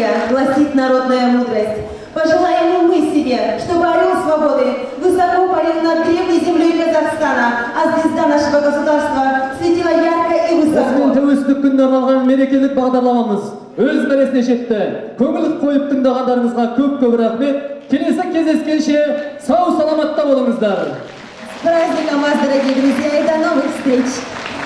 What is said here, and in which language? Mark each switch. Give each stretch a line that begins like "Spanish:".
Russian: гласит народная мудрость. Пожелаем мы себе, чтобы орел свободы высоко парил над древней землей Казахстана, а звезда нашего государства светила ярко и высоко.
Kazakh: Тәуелсіздікпен арналған мерекелік бағдарламамыз өз мәресіне жетті. Көңіл қойып тыңдағандарыңызға көп-көп рахмет. Келесі кездескенше сау-саламатта болыңыздар.
Russian: Праздником вас, дорогие друзья, и до новых встреч!